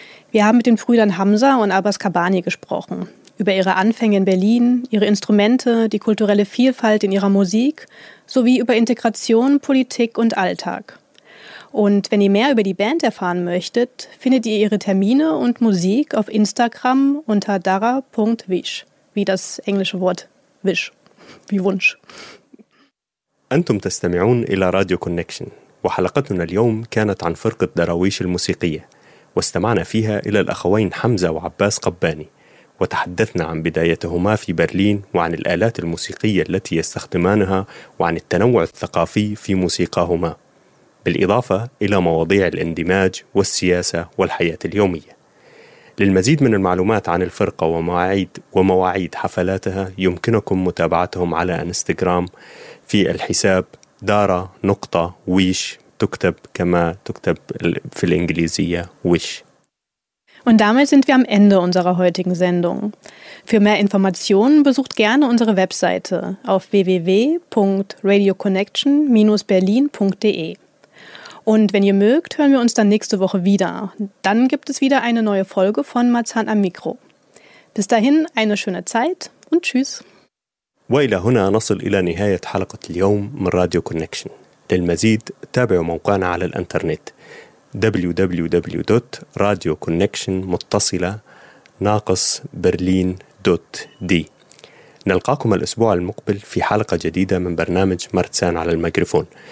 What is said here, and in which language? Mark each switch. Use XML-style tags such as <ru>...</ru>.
<de>Wir haben mit den Brüdern Hamza und Abbas Kabani gesprochen, über ihre Anfänge in Berlin, ihre Instrumente, die kulturelle Vielfalt in ihrer Musik sowie über Integration, Politik und Alltag. Und wenn ihr mehr über die Band erfahren möchtet, findet ihr ihre Termine und Musik auf Instagram unter dara.wish, wie das englische Wort wish, wie Wunsch.</de> <ar>أنتم تستمعون إلى راديو كونكشن وحلقتنا اليوم كانت عن فرقة دراويش الموسيقية واستمعنا فيها إلى الأخوين حمزة وعباس قباني وتحدثنا عن بدايتهما في برلين وعن الآلات الموسيقية التي يستخدمانها وعن التنوع الثقافي في موسيقاهما بالإضافة إلى مواضيع الاندماج والسياسة والحياة اليومية. للمزيد من المعلومات عن الفرقة ومواعيد حفلاتها يمكنكم متابعتهم على انستغرام في الحساب dara.wish تكتب كما تكتب في الإنجليزية wish.</ar> <de>Und damit sind wir am Ende unserer heutigen Sendung. Für mehr Informationen besucht gerne unsere Webseite auf www.radioconnection-berlin.de. Und wenn ihr mögt, hören wir uns dann nächste Woche wieder. Dann gibt es wieder eine neue Folge von Marzahn am Mikro. Bis dahin eine schöne Zeit und tschüss.</de> <ar>وإلى هنا نصل إلى نهاية حلقة اليوم من راديو كونكشن. للمزيد تابعوا موقعنا على الانترنت www.radioconnection.berlin.de. نلقاكم الأسبوع المقبل في حلقة جديدة من برنامج مرتسان على الميكروفون.</ar>